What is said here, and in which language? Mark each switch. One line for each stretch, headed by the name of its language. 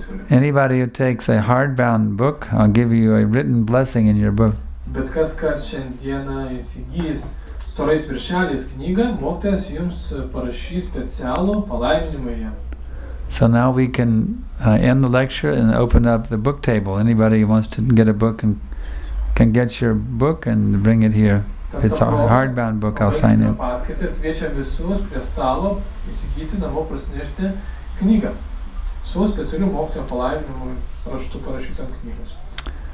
English: Anybody who takes a hardbound book, I'll give you a written blessing in your book.
Lithuanian: Bet kas šiandieną įsigys storais viršeliais knygą, mokytojas jums parašys specialų palaiminimą ją.
English: So now we can end the lecture and open up the book table. Anybody who wants to get a book can get your book and bring it here. If it's a hardbound book, I'll sign it.